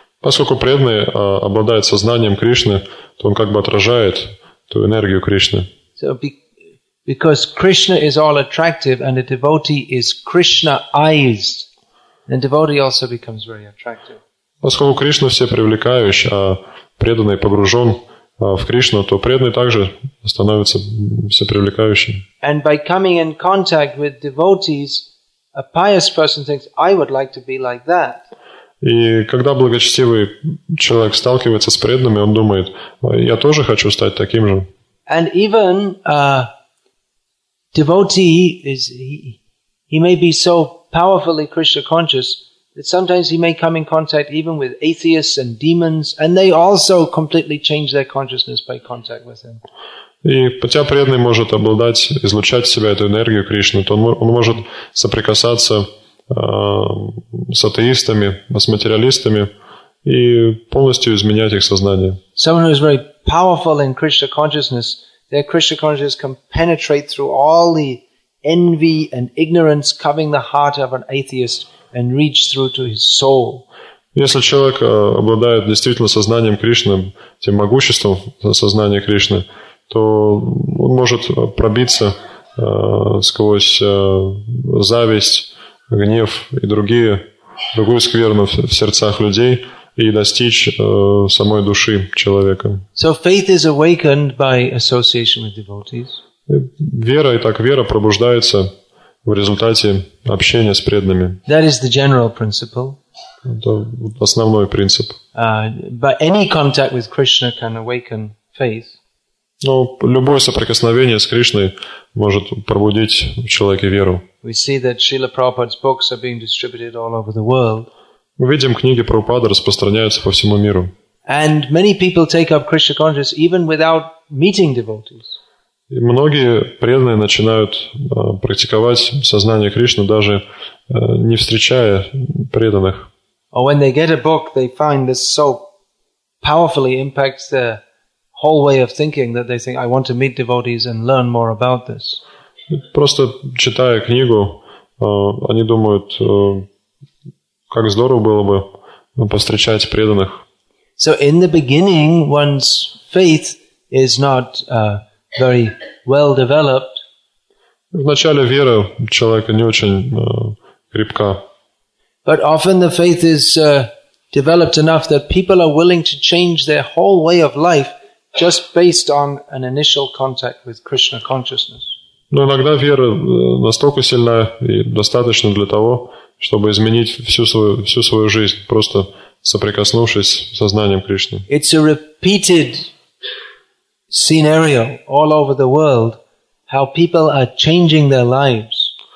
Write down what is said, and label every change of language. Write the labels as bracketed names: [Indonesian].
[Russian] Поскольку преданный обладает сознанием Кришны, то он как бы отражает ту энергию Кришны. [English] So because Krishna is all attractive and a devotee is Krishna-ized, then devotee also becomes very attractive. [Russian] Поскольку Кришна все привлекающий, а преданный погружен в Кришну, то преданный также становится все привлекающим. [English] And by coming in contact with devotees, a pious person thinks, I would like to be like that. [Russian] И когда благочестивый человек сталкивается с преданными, он думает, я тоже хочу стать таким же. [English] And even a devotee is he may be so powerfully Krishna conscious that sometimes he may come in contact even with atheists and demons, and they also completely change their consciousness by contact with him. [Russian] И хотя преданный может обладать, излучать в себя эту энергию Кришны, то он может соприкасаться с атеистами, с материалистами и полностью изменять их сознание. [English] Someone who is very powerful in Krishna consciousness, their Krishna consciousness can penetrate through all the envy and ignorance covering the heart of an atheist and reach through to his soul. [Russian] Если человек обладает действительно сознанием Кришны, тем могуществом сознания Кришны, то он может пробиться сквозь зависть, гнев и другую скверну в сердцах людей и достичь самой души человека. [English] So faith is awakened by association with devotees. [Russian] Вера пробуждается в результате общения с преданными. [English] That is the general principle. [Russian] Это основной принцип. [English] But any contact with Krishna can awaken faith. [Russian] Но любое соприкосновение с Кришной может пробудить в человеке веру. [English] We see that Srila Prabhupada's books are being distributed all over the world. [Russian] Мы видим, книги Прабхупады распространяются по всему миру. [English] And many people take up Krishna consciousness even without meeting devotees. [Russian] И многие преданные начинают практиковать сознание Кришны даже не встречая преданных. [English] Or when they get a book, they find this so powerfully impacts their whole way of thinking that they think, I want to meet devotees and learn more about this. [Russian] Просто читая книгу, они думают, как здорово было бы повстречать преданных. [English] So in the beginning, one's faith is not very well developed. [Russian] Вначале вера человека не очень крепка. [English] But often the faith is developed enough that people are willing to change their whole way of life just based on an initial contact with Krishna consciousness. [Russian] Но иногда вера настолько сильна и достаточно для того, чтобы изменить всю свою жизнь, просто соприкоснувшись с сознанием Кришны. [English] It's a repeated scenario all over the world how people are changing their lives.